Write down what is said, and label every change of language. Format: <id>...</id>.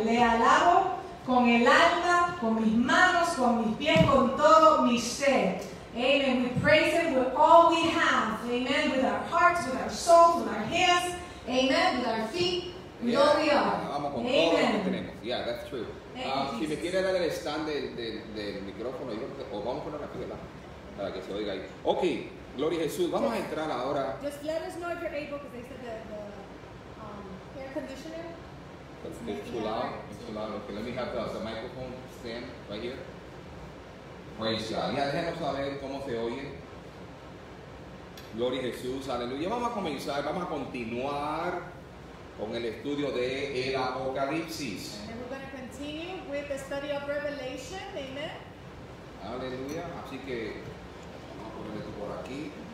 <es>Le alabo con el alma, con mis manos, con mis pies, con todo mi ser.</es> <en>Amen. We praise Him with all we have. Amen. With our hearts, with our souls, with our hands. Amen. With our feet. Yeah, that's true.</en> <es>Si me quiere dar el stand del micrófono, yo, o vamos a poner aquí, ¿verdad? Para que se oiga ahí. Ok, gloria a Jesús. Vamos a entrar ahora.</es> <en>Just let us know if you're able, because they said the air conditioner. It's too loud. Okay, let me have the microphone stand right here. Praise God.</en> <es>Ya déjenos saber cómo se oye. Gloria a Jesús, aleluya. Vamos a comenzar, vamos a continuar con el estudio de el Apocalipsis.</es> <en>And we're going to continue with the study of Revelation. Amen. Aleluya.</en> <es>Así que vamos a poner esto por aquí.</es>